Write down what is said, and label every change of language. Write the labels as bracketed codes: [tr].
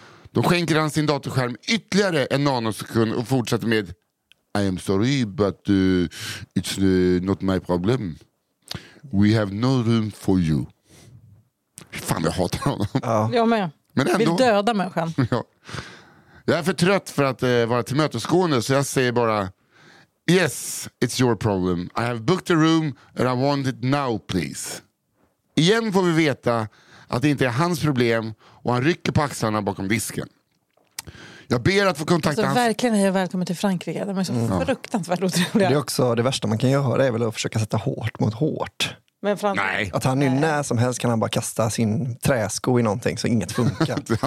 [sv] Då skänker han sin datorskärm ytterligare en nanosekund och fortsätter med: [en] "I am sorry, but it's not my problem. We have no room for you." [sv] Fan, jag hatar honom. Ja. Jag med. Men ändå. Vill döda människan. Ja. Jag är för trött för att vara till mötesgående, så jag säger bara: [en] "Yes, it's your problem. I have booked a room and I want it now, please." [sv] Igen får vi veta att det inte är hans problem och han rycker på axlarna bakom disken. Jag ber att få kontakta alltså, hans... Verkligen är jag välkommen till Frankrike. De är så fruktansvärt otroliga. Det är också det värsta man kan göra, är väl att försöka sätta hårt mot hårt. Men Frank... Nej. Att han är när som helst kan han bara kasta sin träsko i någonting så inget funkar.